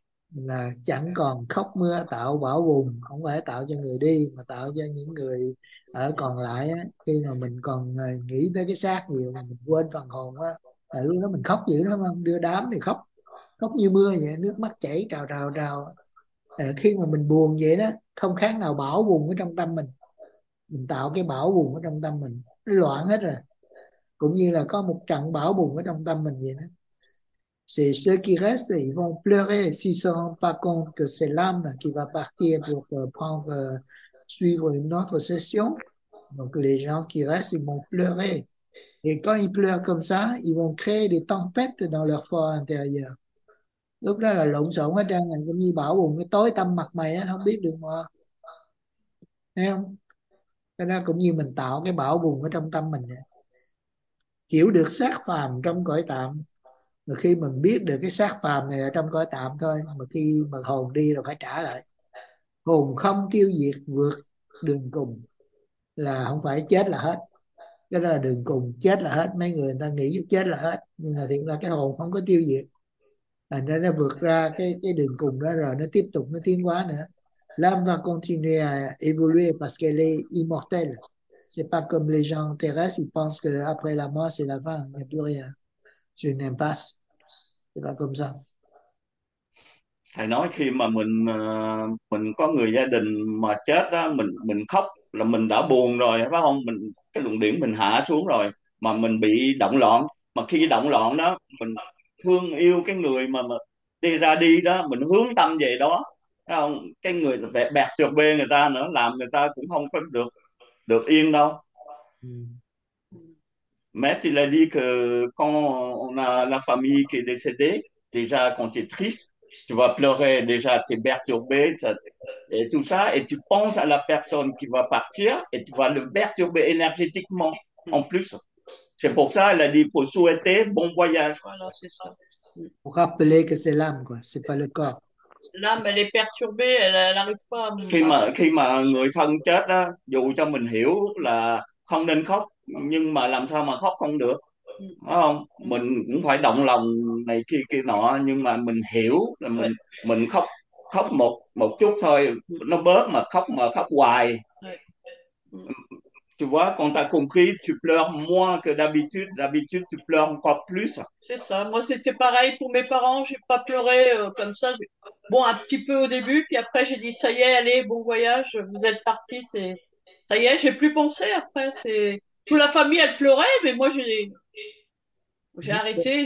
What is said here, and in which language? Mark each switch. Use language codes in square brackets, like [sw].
[vi] bataille là chẳng còn khóc mưa tạo bão bùng, không phải tạo cho người đi mà tạo cho những người ở còn lại á, khi mà mình còn nghĩ tới cái xác nhiều mà mình quên phần hồn á, là lúc đó mình khóc dữ lắm không, đưa đám thì khóc khóc như mưa vậy, nước mắt chảy trào trào trào. Khi mà mình buồn vậy đó, không khác nào bão bùng ở trong tâm mình tạo cái bão bùng ở trong tâm mình, nó loạn hết rồi, cũng như là có một trận bão bùng ở trong tâm mình vậy đó. [fr] C'est ceux qui restent, ils vont pleurer s'ils ne se rendent pas compte que c'est l'âme qui va partir pour prendre, suivre une autre session. Donc les gens qui restent, ils vont pleurer. Et quand ils pleurent comme ça, ils vont créer des tempêtes dans leur fort intérieur. [vi] Lúc đó là lộn xộn hết trơn, cũng như bão bùng cái tối tăm mặt mày á, không biết được mà. Thấy không? Cho nên cũng như mình tạo cái bão bùng ở trong tâm mình vậy. Hiểu được xác phàm trong cõi tạm, mà khi mình biết được cái xác phàm này ở trong cõi tạm thôi, mà khi mà hồn đi rồi phải trả lại, hồn không tiêu diệt vượt đường cùng là không phải chết là hết. Cái đó là đường cùng, chết là hết, mấy người ta nghĩ chết là hết, nhưng mà thiệt ra cái hồn không có tiêu diệt, thành ra nó vượt ra cái đường cùng đó rồi nó tiếp tục nó tiến hóa nữa. [fr] L'âme va continuer à évoluer parce qu'elle est immortelle. C'est pas comme les gens terrestres, ils pensent que après la mort, c'est la fin, il n'y a plus rien. C'est une impasse. C'est pas comme ça. [vi] Thầy nói khi mà mình có người gia đình mà chết đó, mình khóc là mình đã buồn rồi, phải không? Mình cái luồng điển mình hạ xuống rồi, mà mình bị động loạn, mà khi động loạn đó mình thương yêu cái người mà đi ra đi đó, mình hướng tâm về đó, phải không? Cái người vẹt bẹt trượt bê người ta nữa, làm người ta cũng không có được được yên đâu. [fr] Mais il a dit que quand on a la famille qui est décédée, déjà quand tu es triste, tu vas pleurer, déjà tu es perturbé, ça, et tout ça, et tu penses à la personne qui va partir, et tu vas le perturber énergétiquement en plus. C'est pour ça qu'elle a dit, il faut souhaiter bon voyage. Voilà, c'est ça. Pour rappeler que c'est l'âme, quoi, c'est pas le corps. L'âme, elle est perturbée, elle n'arrive pas à [vi] Khi mà người thân chết đó, dù cho mình hiểu là không nên khóc, nhưng mà làm sao mà khóc không được, phải không? Mình cũng phải động lòng này kia kia nọ, nhưng mà mình hiểu là mình khóc khóc một một chút thôi nó bớt, mà khóc hoài, [fr] tu vois, quand t'as compris tu pleures moins que d'habitude, d'habitude tu pleures encore plus. C'est ça. Moi, c'était pareil pour mes parents. J'ai pas pleuré comme ça. Bon, un petit peu au début, puis après j'ai dit ça y est, allez, bon voyage. Vous êtes partis. C'est ça y est. J'ai plus pensé après. C'est toute la famille elle pleurait, mais moi j'ai arrêté.